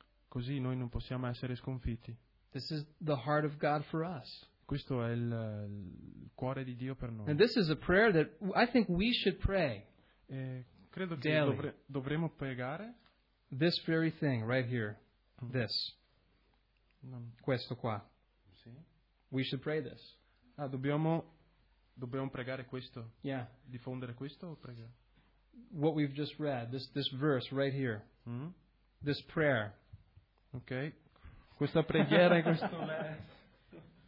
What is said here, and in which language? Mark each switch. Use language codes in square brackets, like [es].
[it] Così noi non possiamo essere sconfitti. [en] This is the heart of God for us. [it] Questo è il cuore di Dio per noi. [en] And this is a prayer that I think we should pray. [it] Credo che dovremmo pregare. [en] This very thing, right here. This. [it] Questo qua. Sì. [en] We should pray this. [it] Ah, dobbiamo pregare questo. [en] Yeah. [it] Diffondere questo o pregare? [en] What we've just read, this verse right here. Mm-hmm. This prayer. Ok. [it] Questa preghiera e questo...